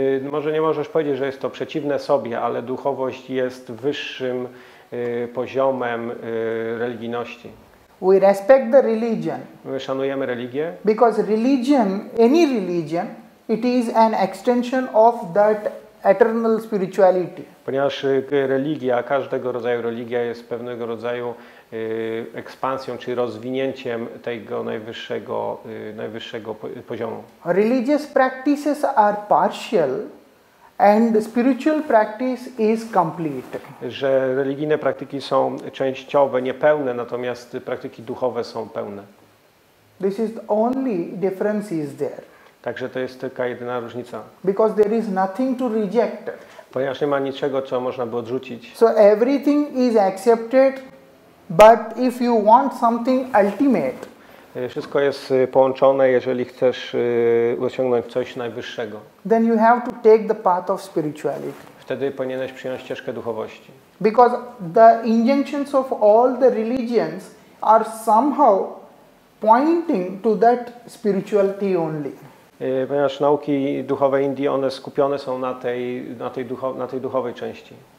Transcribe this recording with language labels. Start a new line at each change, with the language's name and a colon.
Polish: Może nie możesz powiedzieć, że jest to przeciwne sobie, ale duchowość jest wyższym poziomem religijności.
English: We respect the religion.
Polish: My szanujemy religię.
English: Because religion, any religion, it is an extension of that eternal spirituality.
Polish: Ponieważ religia, każdego rodzaju religia jest pewnego rodzaju ekspansją czy rozwinięciem tego najwyższego, najwyższego poziomu.
English: Religious practices are partial and spiritual practice is complete.
Polish: Że religijne praktyki są częściowe, niepełne, natomiast praktyki duchowe są pełne.
English: This is the only difference is there.
Polish: Także to jest tylko jedyna różnica.
English: Because there is nothing to reject.
Polish: Ponieważ nie ma niczego, co można by odrzucić.
English: So everything is accepted, but if you want something ultimate.
Polish: Wszystko jest połączone, jeżeli chcesz osiągnąć coś najwyższego.
English: Then you have to take the path of spirituality.
Polish: Wtedy powinieneś przyjąć ścieżkę duchowości.
English: Because the injunctions of all the religions are somehow pointing to that spirituality only.
Polish: Ponieważ nauki duchowe Indii, one skupione są na tej duchowej części.